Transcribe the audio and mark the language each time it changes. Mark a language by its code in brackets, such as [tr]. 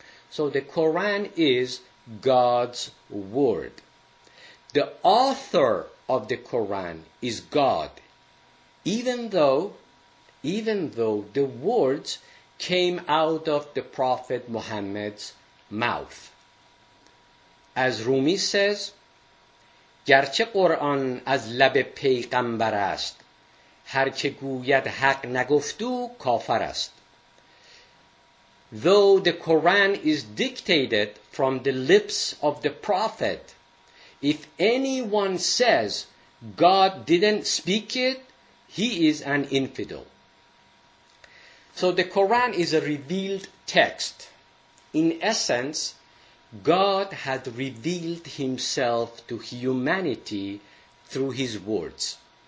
[en] So the Quran is God's word. The author of the Quran is God, even though the words came out of the Prophet Muhammad's mouth. As Rumi says, [fa] گرچه قرآن از لب پیغمبر است، هر که گوید حق نگفتو کافر است. [en] Though the Quran is dictated from the lips of the Prophet, if anyone says God didn't speak it, he is an infidel. So the Quran is a revealed text. In essence, God had revealed himself to humanity through his words.